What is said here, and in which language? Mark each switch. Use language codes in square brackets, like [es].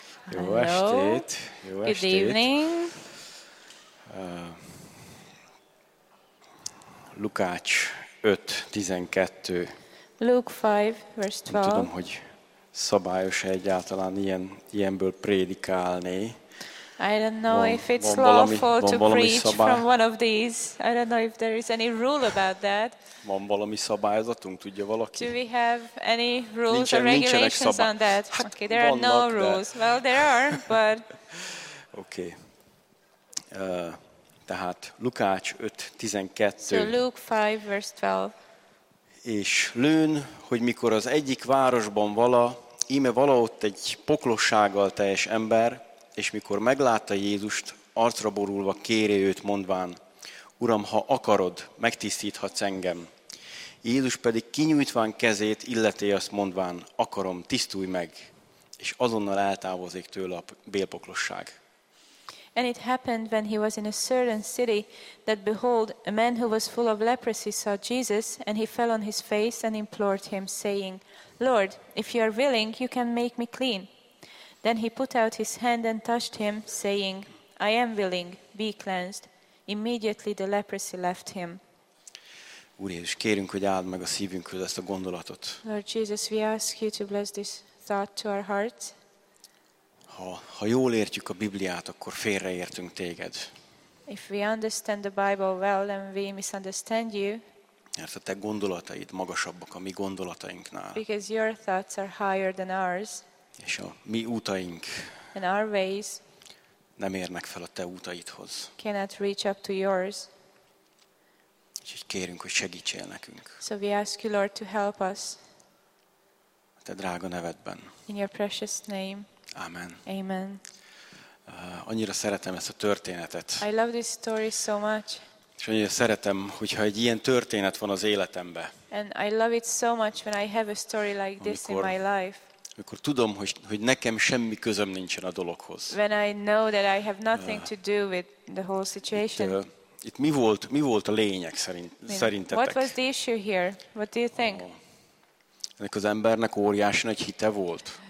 [hu] Jó estét. Jó [en] Good [hu] estét. [en] Evening. [hu] Lukács 5:12. [en] Luke 5, verse 12. [hu] Nem tudom, hogy szabályos-e egyáltalán ilyenből prédikálni. [en] I don't know if it's lawful to preach from one of these. I don't know if there is any rule about that. [hu] Van valami szabályzatunk, tudja valaki? [en] Do we have any rules or regulations on that? Okay, there are no rules. Well, there are, but... Okay. [hu] Tehát Lukács 5:12. [en] So Luke 5, verse 12. [hu] És lőn, hogy mikor az egyik városban íme valahott egy poklossággal teljes ember, és mikor meglátta Jézust, arcra borulva kéri őt mondván, Uram, ha akarod, megtisztíthatsz engem. Jézus pedig kinyújtván kezét illeté azt mondván, akarom, tisztulj meg, és azonnal eltávozik tőle a bélpoklosság. [en] And it happened when he was in a certain city that, behold, a man who was full of leprosy saw Jesus, and he fell on his face and implored him, saying, Lord, if you are willing, you can make me clean. Then he put out his hand and touched him, saying, I am willing, be cleansed. Immediately the leprosy left him. [hu] Úr Jézus, kérünk, hogy áld meg a szívünkhöz ezt a gondolatot. [en] Lord Jesus, we ask you to bless this thought to our hearts. [hu] Ha jól értjük a Bibliát, akkor félreértünk téged. [en] If we understand the Bible well, then we misunderstand you. [hu] Mert a te gondolataid magasabbak a mi gondolatainknál. [en] Because your thoughts are higher than ours. [hu] És a mi útaink. [en] And our ways. [hu] Nem érnek fel a te útaidhoz. [en] Cannot reach up to yours. [hu] Úgyhogy kérünk, hogy segítsél nekünk. [en] So we ask you, Lord, to help us. [hu] A te drága nevedben. [en] In your precious name. [hu] Amen. [en] Amen. [hu] Annyira szeretem ezt a történetet. [en] I love this story so much. [hu] És annyira szeretem, hogyha egy ilyen történet van az életembe. [en] And I love it so much when I have a story like this in my life. [hu] Amikor tudom, hogy nekem semmi közöm nincsen a dologhoz. [en] When I know that I have nothing to do with the whole situation. [hu] Itt mi volt a lényeg szerintetek? [en] What was the issue here? What do you think? [hu] Ennek az embernek óriási nagy hite volt.